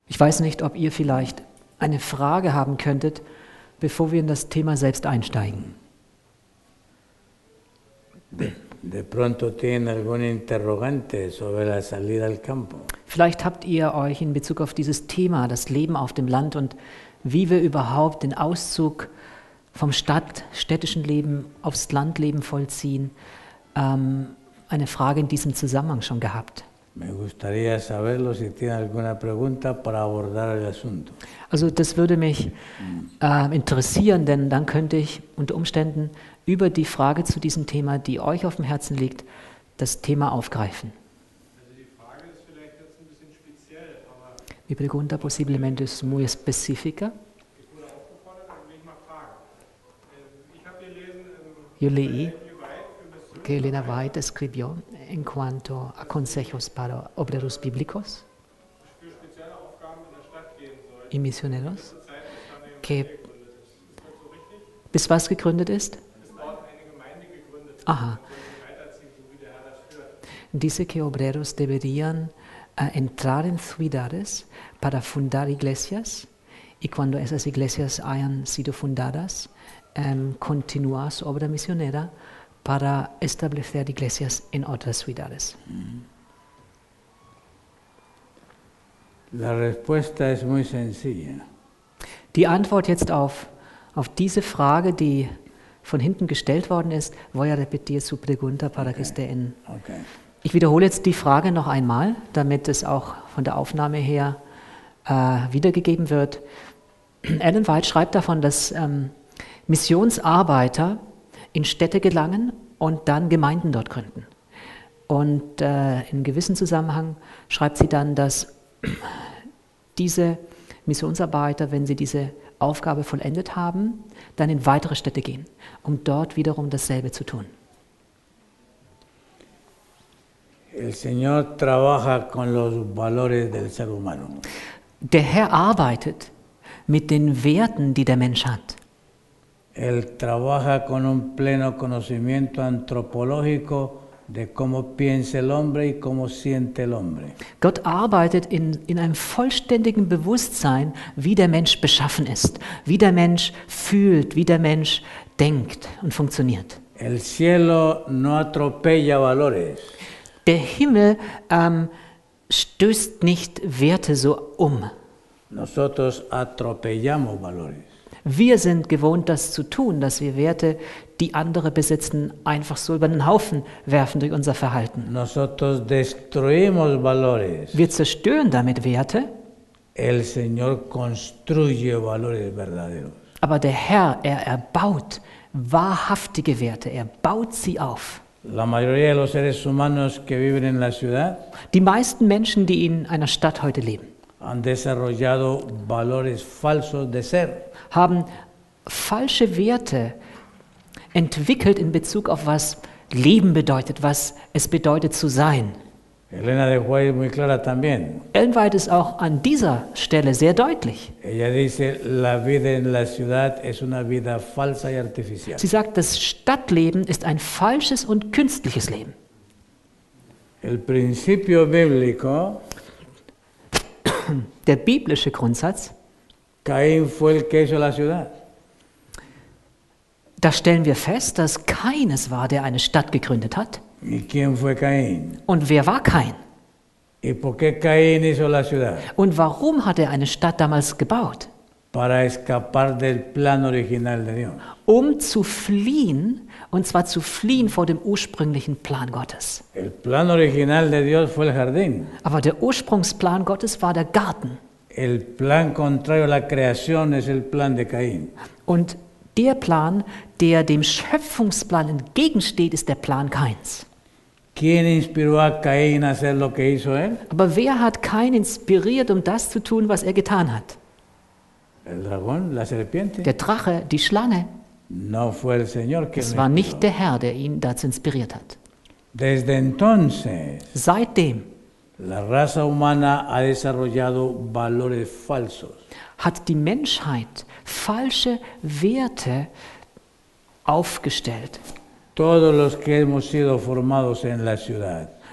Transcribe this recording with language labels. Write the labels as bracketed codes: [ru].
[de] Ich weiß nicht, ob ihr vielleicht eine Frage haben könntet, bevor wir in das Thema selbst einsteigen. [es] De pronto tiene algún interrogante sobre la salida al campo. [de] Vielleicht habt ihr euch in Bezug auf dieses Thema, das Leben auf dem Land und wie wir überhaupt den Auszug vom städtischen Leben aufs Landleben vollziehen, eine Frage in diesem Zusammenhang schon gehabt. [es] Me gustaría saberlo, si tiene alguna pregunta para abordar el asunto. [de] Also das würde mich interessieren, denn dann könnte ich unter Umständen über die Frage zu diesem Thema, die euch auf dem Herzen liegt, das Thema aufgreifen. Also die Frage ist vielleicht jetzt ein bisschen speziell, aber... [es] Mi pregunta posiblemente es muy específica. [de] Ich wurde aufgefordert, dann will ich mal fragen. Ich habe gelesen... [es] Yo leí que Elena White escribió en cuanto a consejos para obreros bíblicos y misioneros, que [de] bis was gegründet ist? Aha. [es] Dice que obreros deberían entrar en ciudades para fundar iglesias y cuando esas iglesias hayan sido fundadas, continuar su obra misionera para establecer iglesias en otras ciudades. La respuesta es muy sencilla. [de] Die Antwort jetzt auf diese Frage, die von hinten gestellt worden ist, [es] voy a repetir su pregunta para que esté en. Okay. [de] Ich wiederhole jetzt die Frage noch einmal, damit es auch von der Aufnahme her wiedergegeben wird. Ellen White schreibt davon, dass Missionsarbeiter in Städte gelangen und dann Gemeinden dort gründen. Und in gewissen Zusammenhang schreibt sie dann, dass diese Missionsarbeiter, wenn sie diese Aufgabe vollendet haben, dann in weitere Städte gehen, um dort wiederum dasselbe zu tun. [es] El Señor trabaja con los valores del ser humano. [de] Der Herr arbeitet mit den Werten, die der Mensch hat. [es] Él trabaja con un pleno conocimiento antropológico de cómo piensa el hombre y cómo siente el hombre. [de] Gott arbeitet in einem vollständigen Bewusstsein, wie der Mensch beschaffen ist, wie der Mensch fühlt, wie der Mensch denkt und funktioniert. [es] El cielo no atropella valores. [de] Der Himmel stößt nicht Werte so um. [es] Nosotros atropellamos valores. [de] Wir sind gewohnt, das zu tun, dass wir Werte, die andere besitzen, einfach so über den Haufen werfen durch unser Verhalten. [es] Nosotros destruimos valores. [de] Wir zerstören damit Werte. [es] El Señor construye valores verdaderos. [de] Aber der Herr, er erbaut wahrhaftige Werte, er baut sie auf. [es] La mayoría de los seres humanos que viven en la ciudad, [de] die meisten Menschen, die in einer Stadt heute leben, [es] han desarrollado valores falsos de ser. [de] Haben falsche Werte entwickelt in Bezug auf was Leben bedeutet, was es bedeutet zu sein. [es] Elena de White muy clara también. [de] Ellen White ist auch an dieser Stelle sehr deutlich. [es] Ella dice, la vida en la ciudad es una vida falsa y artificial. [de] Sie sagt, das Stadtleben ist ein falsches und künstliches Leben. [es] El principio bíblico, [de] der biblische Grundsatz, [es] Caín fue el que hizo la ciudad. [de] Da stellen wir fest, dass Kain es war, der eine Stadt gegründet hat. [es] ¿Y quién fue Caín? [de] Und wer war Kain? [es] ¿Y por qué Caín hizo la ciudad? [de] Und warum hat er eine Stadt damals gebaut? [es] Para escapar del plan original de Dios. [de] Um zu fliehen, und zwar zu fliehen vor dem ursprünglichen Plan Gottes. [es] El plan original de Dios fue el jardín. [de] Aber der Ursprungsplan Gottes war der Garten. [es] El plan contrario a la creación es el plan de Caín. [de] Und der Plan, der dem Schöpfungsplan entgegensteht, ist der Plan Kains. [es] ¿Quién inspiró a Caín a hacer lo que hizo él? [de] Aber wer hat Kain inspiriert, um das zu tun, was er getan hat? [es] El dragón, la serpiente. [de] Der Drache, die Schlange. [es] No fue el Señor quien [de] es war [es] inspiró. [de] Nicht der Herr, der ihn dazu inspiriert hat. [es] Desde entonces, [de] seitdem [es] la raza humana ha desarrollado valores falsos. [de] Hat die Menschheit falsche Werte aufgestellt. [es] Todos los que hemos sido formados en la ciudad.